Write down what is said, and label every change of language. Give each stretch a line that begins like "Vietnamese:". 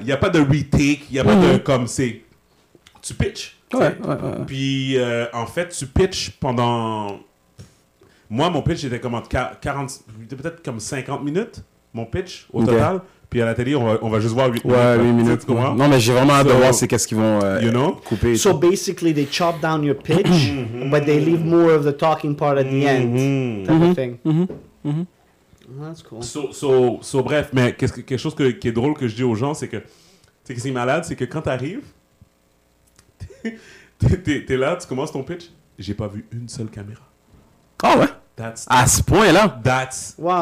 French: Y a pas de retake, y a pas de, comme, c'est, tu pitch. Ouais. Puis, en fait, tu pitch pendant, moi, mon pitch était comme entre 40, peut-être comme 50 minutes, mon pitch, au total. Puis à la télé, on va juste voir 8 ouais, minutes. Ouais, 8 minutes. Quoi. Non, mais j'ai vraiment hâte de voir c'est qu'est-ce qu'ils vont you know? Couper.
English: So basically, they chop down your pitch, but they leave more of the talking part at the end. Type of thing. That's cool.
French: So, bref, mais quelque chose qui est drôle que je dis aux gens, c'est que, tu sais, qui est malade, c'est que quand t'arrives, t'es là, tu commences ton pitch, j'ai pas vu une seule caméra. Ah oh, ouais?
English: That's
French: à ce point-là,
English: that's wow.